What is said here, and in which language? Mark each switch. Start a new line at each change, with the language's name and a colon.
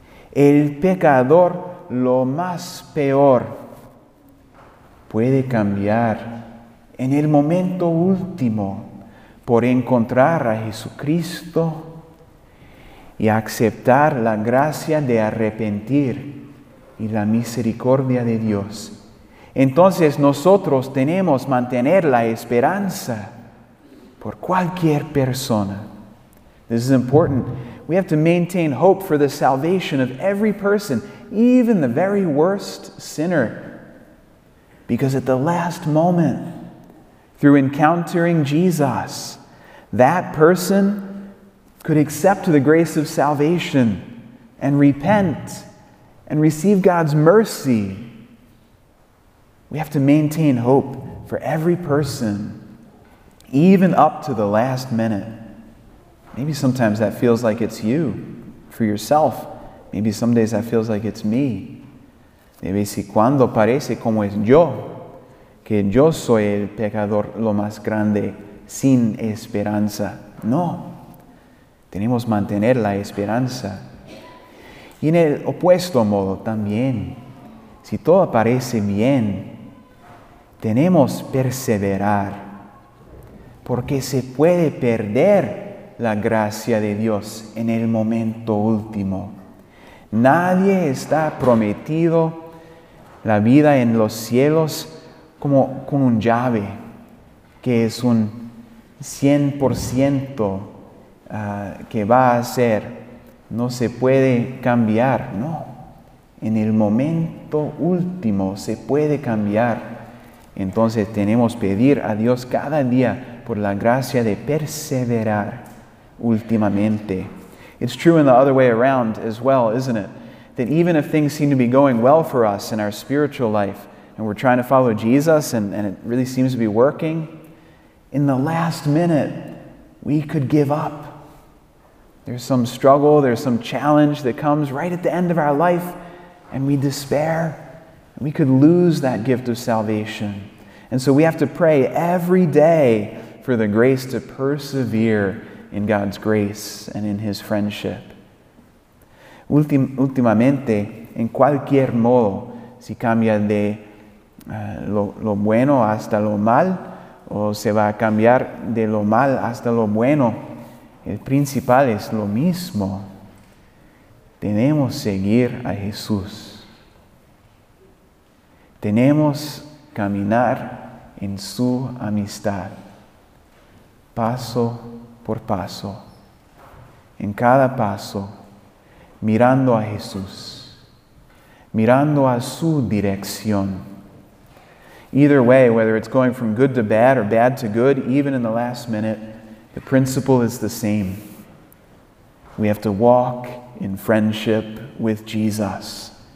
Spanish: El pecador, lo más peor, puede cambiar en el momento último por encontrar a Jesucristo y aceptar la gracia de arrepentir y la misericordia de Dios. Entonces nosotros tenemos que mantener la esperanza por cualquier persona.
English: This is important. We have to maintain hope for the salvation of every person, even the very worst sinner. Because at the last moment, through encountering Jesus, that person could accept the grace of salvation and repent and receive God's mercy. We have to maintain hope for every person, even up to the last minute. Maybe sometimes that feels like it's you, for yourself. Maybe some days that feels like it's me.
Spanish: De vez en cuando parece como es yo, que yo soy el pecador lo más grande, sin esperanza. No, tenemos que mantener la esperanza. Y en el opuesto modo también, si todo parece bien, tenemos que perseverar, porque se puede perder la gracia de Dios en el momento último. Nadie está prometido la vida en los cielos como con un llave, que es un 100% que va a ser. No se puede cambiar, no. En el momento último se puede cambiar. Entonces tenemos que pedir a Dios cada día por la gracia de perseverar. Ultimamente.
English: It's true in the other way around as well, isn't it? That even if things seem to be going well for us in our spiritual life, and we're trying to follow Jesus, and it really seems to be working, in the last minute, we could give up. There's some struggle, there's some challenge that comes right at the end of our life, and we despair. And we could lose that gift of salvation. And so we have to pray every day for the grace to persevere in God's grace and in His friendship.
Spanish: Últimamente, en cualquier modo, si cambia de lo bueno hasta lo mal, o se va a cambiar de lo mal hasta lo bueno, el principal es lo mismo. Tenemos que seguir a Jesús. Tenemos que caminar en su amistad. Paso por paso, en cada paso, mirando a Jesús, mirando a su dirección.
English: Either way, whether it's going from good to bad or bad to good, even in the last minute, the principle is the same. We have to walk in friendship with Jesus.